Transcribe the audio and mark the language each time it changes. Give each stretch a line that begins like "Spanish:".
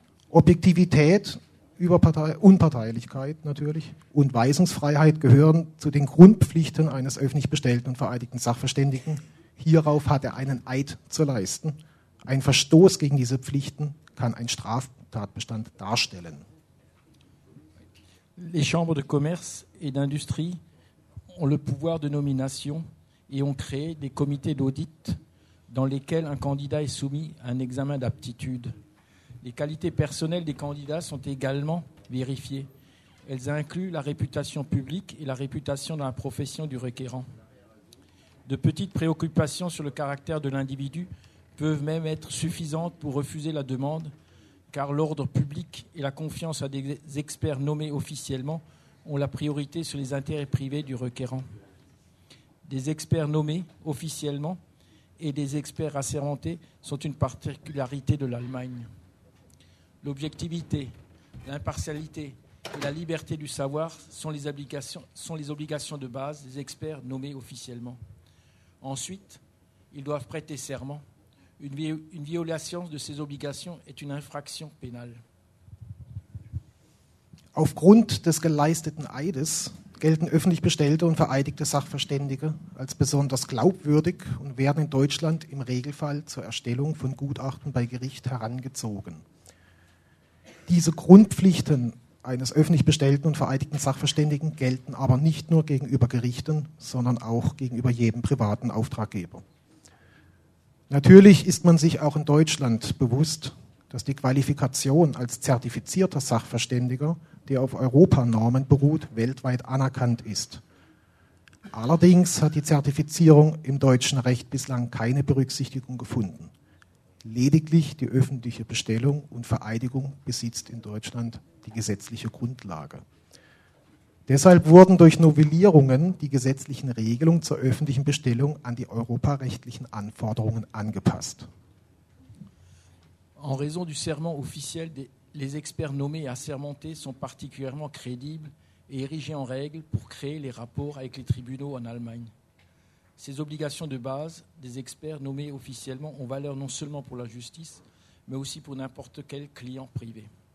German: Objektivität, Unparteilichkeit natürlich und Weisungsfreiheit gehören zu den Grundpflichten eines öffentlich bestellten und vereidigten Sachverständigen. Hierauf hat er einen Eid zu leisten. Ein Verstoß gegen diese Pflichten kann ein Straftatbestand darstellen.
French: Les chambres de commerce et d'industrie ont le pouvoir de nomination et ont créé des comités d'audit dans lesquels un candidat est soumis à un examen d'aptitude. Les qualités personnelles des candidats sont également vérifiées. Elles incluent la réputation publique et la réputation dans la profession du requérant. De petites préoccupations sur le caractère de l'individu peuvent même être suffisantes pour refuser la demande, car l'ordre public et la confiance à des experts nommés officiellement ont la priorité sur les intérêts privés du requérant. Des experts nommés officiellement et des experts assermentés sont une particularité de l'Allemagne. L'objectivité, l'impartialité et la liberté du savoir sont les obligations de base des experts nommés officiellement. Ensuite, ils doivent prêter serment. Une violation de ces obligations est une infraction pénale.
German: Aufgrund des geleisteten Eides gelten öffentlich bestellte und vereidigte Sachverständige als besonders glaubwürdig und werden in Deutschland im Regelfall zur Erstellung von Gutachten bei Gericht herangezogen. Diese Grundpflichten eines öffentlich bestellten und vereidigten Sachverständigen gelten aber nicht nur gegenüber Gerichten, sondern auch gegenüber jedem privaten Auftraggeber. Natürlich ist man sich auch in Deutschland bewusst, dass die Qualifikation als zertifizierter Sachverständiger, der auf Europanormen beruht, weltweit anerkannt ist. Allerdings hat die Zertifizierung im deutschen Recht bislang keine Berücksichtigung gefunden. Lediglich die öffentliche Bestellung und Vereidigung besitzt in Deutschland die gesetzliche Grundlage. Deshalb wurden durch Novellierungen die gesetzlichen Regelungen zur öffentlichen Bestellung an die europarechtlichen Anforderungen angepasst.
French: En raison du serment officiel, les experts nommés et assermentés sont particulièrement crédibles et érigés en règle pour créer les rapports avec les tribunaux en Allemagne. Ces obligations de base des experts nommés officiellement ont valeur non seulement pour la justice, mais aussi pour n'importe quel client privé.